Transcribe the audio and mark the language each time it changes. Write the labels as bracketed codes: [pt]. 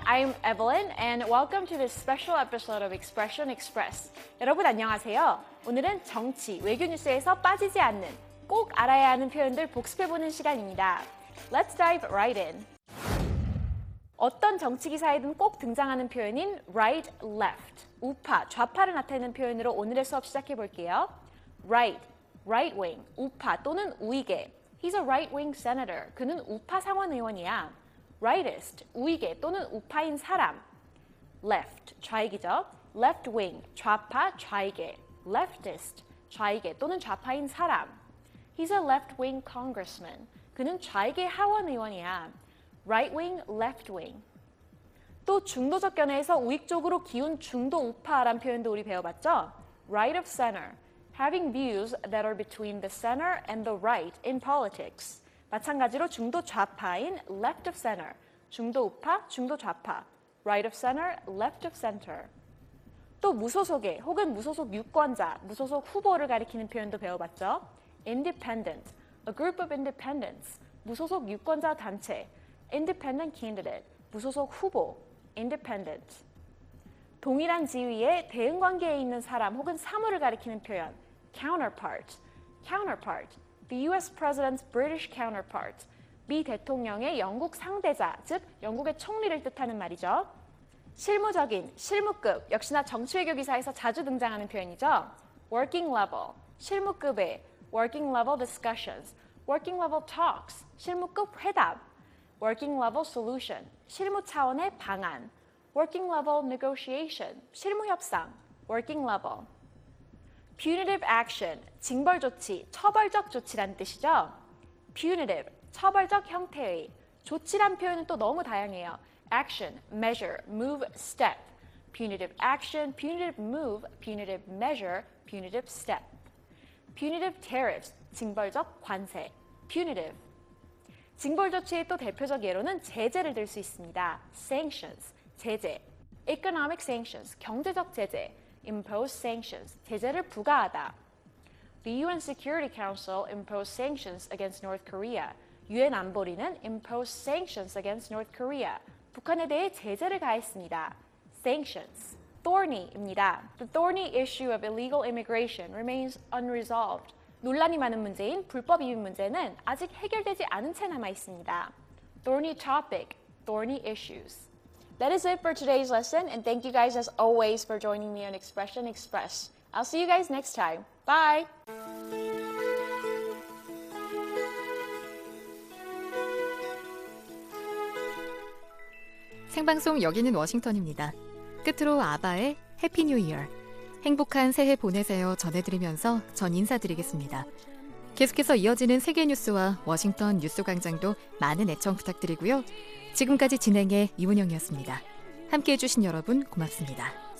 [en] I'm Evelyn and welcome to this special episode of Expression Express. [ko] 여러분 안녕하세요. 오늘은 정치, 외교 뉴스에서 빠지지 않는 꼭 알아야 하는 표현들 복습해 보는 시간입니다. [en] Let's dive right in. [ko] 어떤 정치 기사에든 꼭 등장하는 표현인 right left. 우파, 좌파를 나타내는 표현으로 오늘의 수업 시작해 볼게요. [en] Right, right wing, [ko] 우파 또는 우익에. [en] He's a right-wing senator. [ko] 그는 우파 상원 의원이야. [en] Rightist, [ko] 우익에 또는 우파인 사람. Left, 좌익이죠. [en] Left-wing, [ko] 좌파, 좌익에. [en] Leftist, [ko] 좌익에 또는 좌파인 사람. [en] He's a left-wing congressman. [ko] 그는 좌익의 하원 의원이야. [en] Right-wing, left-wing. [ko] 또 중도적 견해에서 우익 쪽으로 기운 중도 우파란 표현도 우리 배워봤죠? [en] Right of center. Having views that are between the center and the right in politics. [ko] 마찬가지로 중도 좌파인 [en] left of center. [ko] 중도 우파, 중도 좌파. [en] Right of center, left of center. [ko] 또 무소속의 혹은 무소속 유권자, 무소속 후보를 가리키는 표현도 배워봤죠? [en] Independent. A group of independents. [ko] 무소속 유권자 단체. [en] Independent candidate. [ko] 무소속 후보. Independent. 동일한 지위에 대응 관계에 있는 사람 혹은 사물을 가리키는 표현. [en] Counterpart. Counterpart. The US President's British counterpart. [ko] 미 대통령의 영국 상대자, 즉 영국의 총리를 뜻하는 말이죠. 실무적인, 실무급. 역시나 정치 외교 기사에서 자주 등장하는 표현이죠. [en] Working level. [ko] 실무급의 [en] working level discussions. Working level talks. [ko] 실무급 회담. [en] Working level solution. [ko] 실무 차원의 방안. [en] Working level negotiation. [ko] 실무 협상. Working level. [en] Punitive action, [ko] 징벌 조치, 처벌적 조치라는 뜻이죠. Punitive, 처벌적 형태의. 조치란 표현은 또 너무 다양해요. [en] Action, measure, move, step. Punitive action, punitive move, punitive measure, punitive step. Punitive tariffs, [ko] 징벌적 관세. [en] Punitive. [ko] 징벌 조치의 또 대표적 예로는 제재를 들 수 있습니다. [en] Sanctions, 제재. Economic sanctions, [ko] 경제적 제재. [en] Impose sanctions, [ko] 제재를 부과하다. [en] The UN Security Council imposed sanctions against North Korea. [ko] UN 안보리는 [en] imposed sanctions against North Korea. [ko] 북한에 대해 제재를 가했습니다. [en] Sanctions, thorny입니다. The thorny issue of illegal immigration remains unresolved. [ko] 논란이 많은 문제인 불법 이민 문제는 아직 해결되지 않은 채 남아있습니다. [en] Thorny topic, thorny issues. That is it for today's lesson, and thank you guys as always for joining me on Expression Express. I'll see you guys next time. Bye! [ko] Sengbangsong, 여기는 워싱턴입니다. 끝으로 아바의 Happy New Year. 행복한 새해 보내세요 전해드리면서 전 인사드리겠습니다. 계속해서 이어지는 세계 뉴스와 워싱턴 뉴스 광장도 많은 애청 부탁드리고요. 지금까지 진행해 이문영이었습니다. 함께해 주신 여러분 고맙습니다.